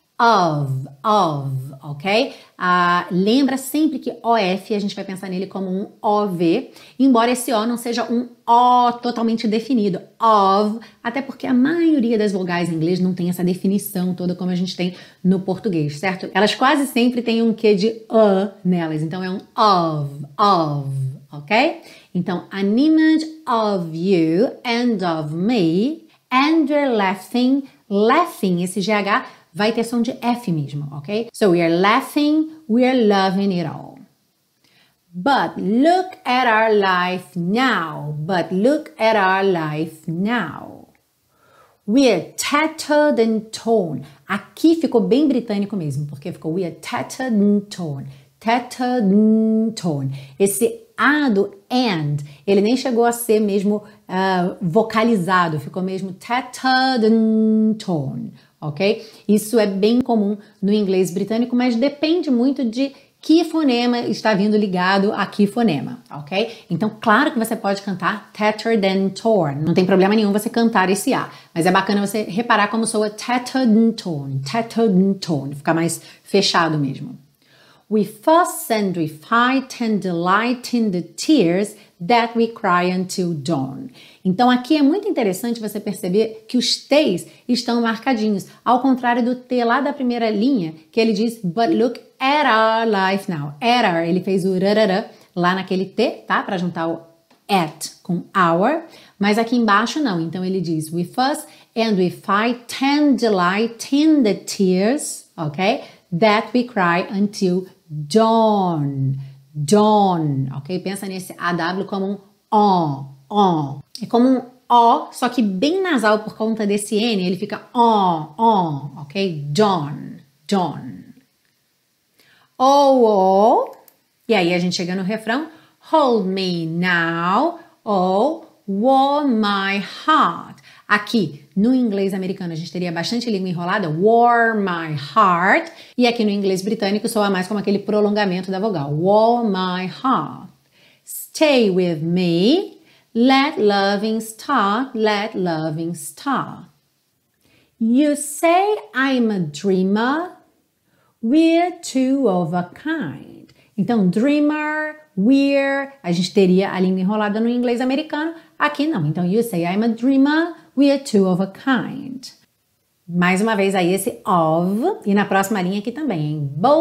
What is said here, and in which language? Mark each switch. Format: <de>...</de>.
<pt>Of, ok? Lembra sempre que OF, a gente vai pensar nele como um OV, embora esse O não seja um O totalmente definido, of, até porque a maioria das vogais em inglês não tem essa definição toda como a gente tem no português, certo? Elas quase sempre têm um Q de A nelas, então é um of, ok?</pt> <en>Então, an image of you and of me, and we're laughing,</en> <pt>esse GH vai ter som de F mesmo, ok?</pt> <en>So we are laughing, we are loving it all. But look at our life now. But look at our life now. We are tattered and torn.</en> <pt>Aqui ficou bem britânico mesmo, porque ficou</pt> <en>we are tattered and torn. Tattered and torn.</en> <pt>Esse A do and, ele nem chegou a ser mesmo vocalizado, ficou mesmo tattered and torn, ok? Isso é bem comum no inglês britânico, mas depende muito de que fonema está vindo ligado a que fonema, ok? Então, claro que você pode cantar tattered and torn, não tem problema nenhum você cantar esse A, mas é bacana você reparar como soa</pt> <en>tattered and torn, tattered and torn,</en> <pt>ficar mais fechado mesmo.</pt> <en>We fuss and we fight and delight in the tears that we cry until dawn.</en> <pt>Então aqui é muito interessante você perceber que os T's estão marcadinhos, ao contrário do T lá da primeira linha, que ele diz,</pt> <en>but look at our life now.</en> <pt>At our, ele fez o rarara lá naquele T, tá? Para juntar o at com our, mas aqui embaixo não. Então ele diz,</pt> <en>we fuss and we fight and delight in the tears,</en> <pt>ok?</pt> <en>That we cry until dawn, dawn, ok?</en> <pt>Pensa nesse AW como um O, O. É como um O, só que bem nasal por conta desse N, ele fica O, O, ok?</pt> <en>Dawn, dawn. O, O,</en> <pt>e aí a gente chega no refrão,</pt> <en>hold me now, O, warm my heart.</en> <pt>Aqui, no inglês americano, a gente teria bastante língua enrolada,</pt> <en>warm my heart.</en> <pt>E aqui no inglês britânico, soa mais como aquele prolongamento da vogal,</pt> <en>warm my heart. Stay with me, let loving start, let loving start. You say I'm a dreamer, we're two of a kind.</en> <pt>Então, dreamer, we're, a gente teria a língua enrolada no inglês americano, aqui não.</pt> <en>Então, you say I'm a dreamer, we are two of a kind.</en> <pt>Mais uma vez aí esse of, e na próxima linha aqui também, hein?</pt>